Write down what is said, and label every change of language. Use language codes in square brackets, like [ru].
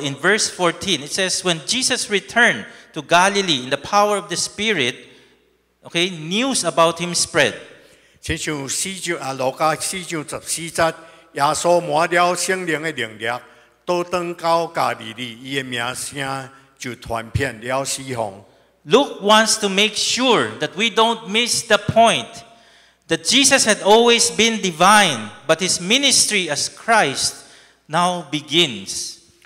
[en] in verse 14, it says, when Jesus returned to Galilee in the power of the Spirit, okay, news about him spread. [nan] 像路加四章十四节，耶稣满了圣灵的能力。 [en] Luke wants to make sure that we don't miss the point that Jesus had always been divine, but his ministry as Christ now begins.